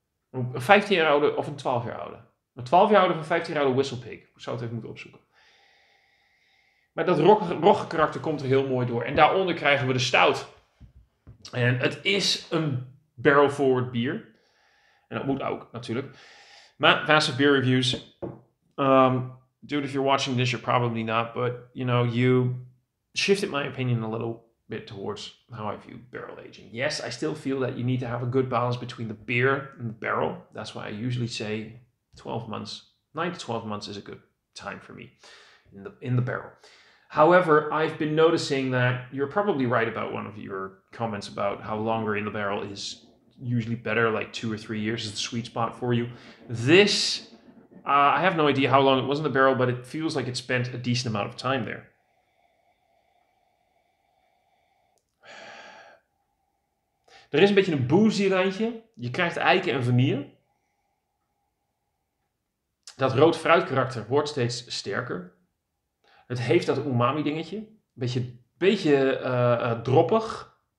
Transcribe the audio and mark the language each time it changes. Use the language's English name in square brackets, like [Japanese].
[Dutch] Een 15 jaar oude of een 12 jaar oude. Een 12 jaar oude of een 15 jaar oude Whistlepig. Ik zou het even moeten opzoeken. Maar dat rogge karakter komt er heel mooi door. En daaronder krijgen we de stout. En het is een barrel forward bier. En dat moet ook, natuurlijk. [English] Maar massive beer reviews. Dude, if you're watching this, you're probably not, but, you know, you shifted my opinion a little bit towards how I view barrel aging. Yes, I still feel that you need to have a good balance between the beer and the barrel. That's why I usually say 12 months, 9 to 12 months is a good time for me in the barrel. However, I've been noticing that you're probably right about one of your comments about how longer in the barrel is usually better, like 2 or 3 years is the sweet spot for you. This... I have no idea how long it was in the barrel, but it feels like it spent a decent amount of time there. [Dutch] Er is een beetje een boozy randje. Je krijgt eiken en vanille. Dat rood fruit karakter wordt steeds sterker. Het heeft dat umami dingetje. Beetje droppig.